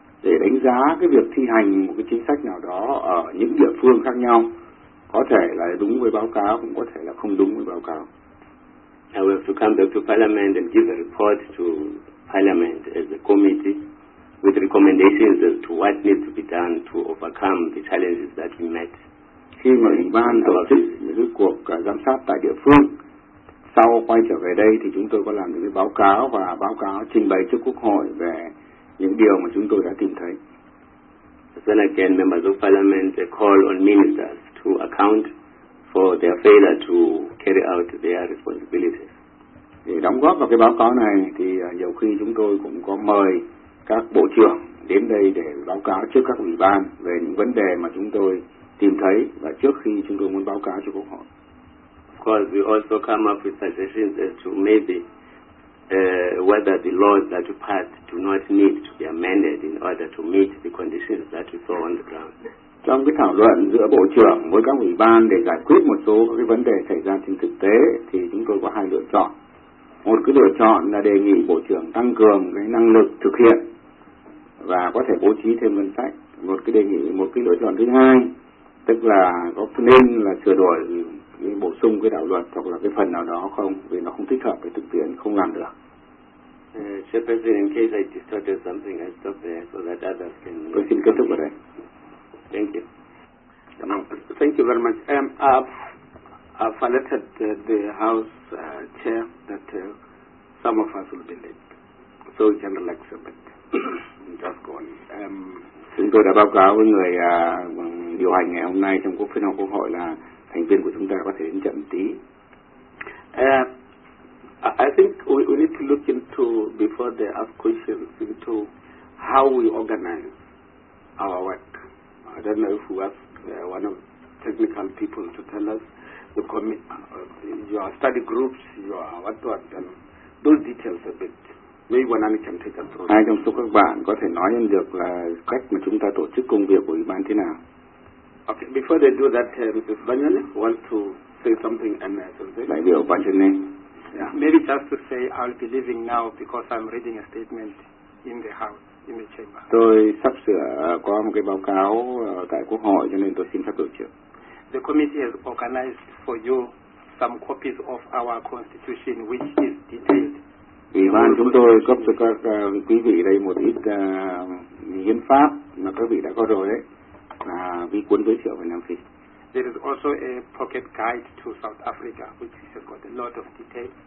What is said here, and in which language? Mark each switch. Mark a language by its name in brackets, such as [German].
[Vietnamese] Để đánh giá cái việc thi hành một cái chính sách nào đó ở những địa phương khác nhau, có thể là đúng với báo cáo, cũng có thể là không đúng với báo cáo. [English] I will have to come back to Parliament and give a report to Parliament as a committee with recommendations as to what needs to be done to overcome the challenges that we met. [Vietnamese] Khi mà ủy ban tổ chức những cuộc giám sát tại địa phương, sau quay trở về đây thì chúng tôi có làm những cái báo cáo và báo cáo trình bày trước Quốc hội về những điều mà chúng tôi đã tìm thấy. [English] Then again, members of Parliament call on ministers to account for their failure to carry out their responsibilities. [Vietnamese] Để đóng góp vào cái báo cáo này thì nhiều khi chúng tôi cũng có mời các bộ trưởng đến đây để báo cáo trước các ủy ban về những vấn đề mà chúng tôi tìm thấy và trước khi chúng tôi muốn báo cáo cho Quốc hội. [English] Of course, we also come up with suggestions as to maybe whether the laws that we passed do not need to be amended in order to meet the conditions that we saw on the ground. [Vietnamese] Trong cái thảo luận giữa Bộ trưởng với các ủy ban để giải quyết một số các cái vấn đề xảy ra trên thực tế thì chúng tôi có hai lựa chọn. Một cái lựa chọn là đề nghị Bộ trưởng tăng cường cái năng lực thực hiện và có thể bố trí thêm ngân sách. Một cái đề nghị, một cái lựa chọn thứ hai, tức là có nên là sửa đổi, bổ sung cái đạo luật hoặc là cái phần nào đó không, vì nó không thích hợp với thực tiễn, không làm được. [English] Chairperson, in case I distorted something, I stop there so that others can... [Vietnamese] Tôi xin kết thúc ở đây. [English] Thank you. Thank you very much. I've alerted the House Chair that some of us will be late. So General Exhibit, just go on. [Vietnamese] Chúng tôi đã báo cáo với người điều hành ngày hôm nay trong phiên họp Quốc hội là thành viên của chúng ta có thể đến chậm một tí. [English] I think we need to look into, before they ask questions, into how we organize our work. I don't know if we ask one of technical people to tell us the your study groups, your what, and those details a bit. Maybe one of you can take us through. [Vietnamese] Hai trong số các bạn có thể nói lên được là cách mà chúng ta tổ chức công việc của ủy ban thế nào. [English] Okay, before they do that, Mrs. Banyan wants to say something and something. Maybe I'll put your name. Yeah. Maybe just to say I'll be leaving now because I'm reading a statement in the house. [Vietnamese] Tôi sắp sửa có một cái báo cáo tại Quốc hội cho nên tôi xin phép được chưa? [English] The committee has organized for you some copies of our constitution which is detailed. [Vietnamese] Ủy ban chúng tôi cấp cho các quý vị đây một ít hiến pháp mà các vị đã có rồi đấy, là vi cuốn giới thiệu về Nam Phi. [English] There is also a pocket guide to South Africa which has got a lot of detail.